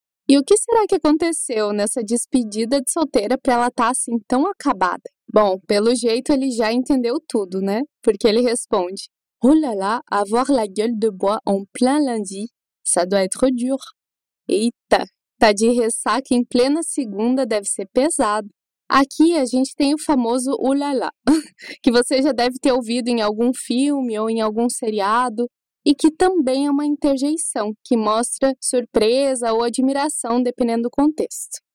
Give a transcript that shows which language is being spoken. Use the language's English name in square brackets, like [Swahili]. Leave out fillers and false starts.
[Portuguese] E o que será que aconteceu nessa despedida de solteira para ela estar assim tão acabada? Bom, pelo jeito ele já entendeu tudo, né? Porque ele responde: [French] Oh là là, avoir la gueule de bois en plein lundi, ça doit être dur. [Portuguese] Eita, tá de ressaca em plena segunda, deve ser pesado. Aqui a gente tem o famoso oh là là, que você já deve ter ouvido em algum filme ou em algum seriado. E que também é uma interjeição, que mostra surpresa ou admiração, dependendo do contexto.